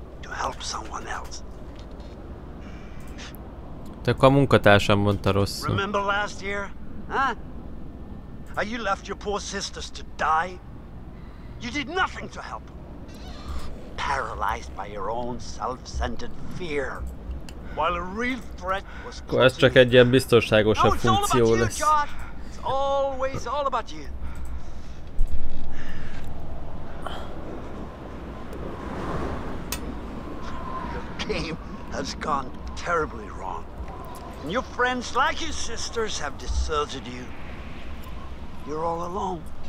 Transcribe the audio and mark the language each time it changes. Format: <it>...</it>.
<en>Help someone else.</en> <hu>Te akkor a munkatársam mondta rosszul.</hu> <en>Remember last year? Huh? You left your poor sisters to die? You did nothing to help. Paralyzed by your own self-centered fear. While a real threat was closing.</en> <hu>Ez csak egy ilyen biztonságosabb funkció lesz.</hu> <en>No, it's all about you, Josh. It's always all about you. Has gone terribly wrong. And your friends, like your sisters, have deserted you. You're all alone.</en>